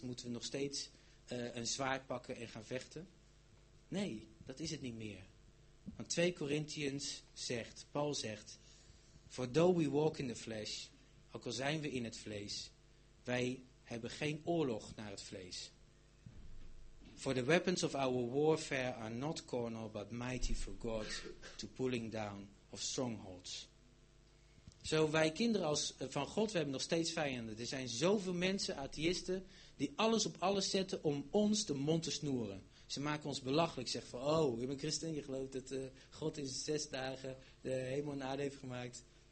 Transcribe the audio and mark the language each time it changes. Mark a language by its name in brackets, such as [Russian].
[Dutch] Moeten we nog steeds een zwaard pakken en gaan vechten? Nee, dat is het niet meer. Want 2 Corinthians zegt, Paul zegt, [English] for though we walk in the flesh, [Dutch] ook al zijn we in het vlees, wij hebben geen oorlog naar het vlees. [English] For the weapons of our warfare are not carnal, but mighty for God to pulling down of strongholds. [Dutch] Zo, wij kinderen als van God, we hebben nog steeds vijanden. Er zijn zoveel mensen, atheïsten, die alles op alles zetten om ons de mond te snoeren. Ze maken ons belachelijk, zeggen van, oh, je bent christen, je gelooft dat God in 6 dagen de hemel en aarde heeft gemaakt.